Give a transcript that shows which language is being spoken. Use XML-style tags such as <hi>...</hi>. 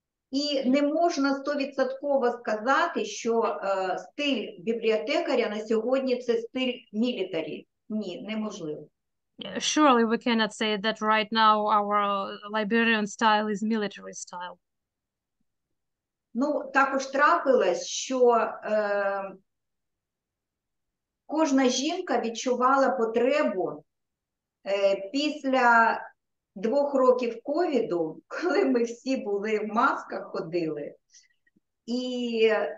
<uk>І не можна 100% сказати, що стиль бібліотекаря на сьогодні це стиль мілітарі. Ні, неможливо.</uk> <en>Surely we cannot say that right now our librarian style is military style.</en> <uk>Ну, також трапилось, що кожна жінка відчувала потребу після 2 років ковіду, коли ми всі були в масках ходили, і</uk>